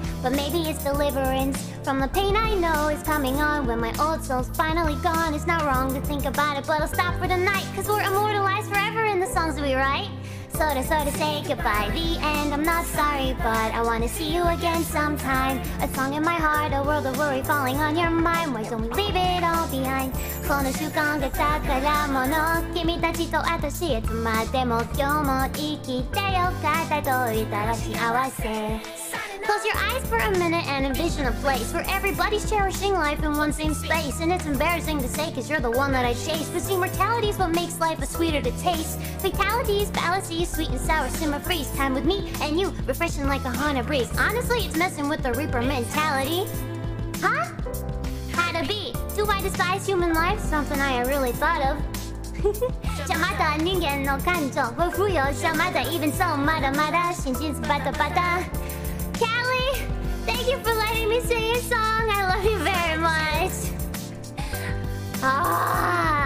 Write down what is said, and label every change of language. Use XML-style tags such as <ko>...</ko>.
<en>But maybe it's deliverance from the pain I know is coming on when my old soul's finally gone. It's not wrong to think about it, but I'll stop for tonight, cause we're immortalized forever in the songs we write. Sorta say goodbye, the end. I'm not sorry, but I wanna see you again sometime. A song in my heart, a world of worry falling on your mind. Why don't we leave it all behind?</en> <ja>この習慣が宝物、君たちと私いつまでも今日も生きてよかったと言ったら幸せ。</ja> <en>Close your eyes for a minute and envision a place where everybody's cherishing life in one same space. And it's embarrassing to say, cause you're the one that I chase. But see, mortality is what makes life a sweeter to taste. Fatalities, fallacies, sweet and sour, simmer, freeze. Time with me and you, refreshing like a haunted breeze. Honestly, it's messing with the Reaper mentality. Huh? How to be? Do I despise human life? Something I ain't really thought of.</en> <ja>じゃまだ人間の感情は不要じゃまだ</ja> <en>even so</en> <ja>まだまだ心身バタバタ。</ja> <en>Callie, thank you for letting me sing your song. I love you very much. Ah.</en>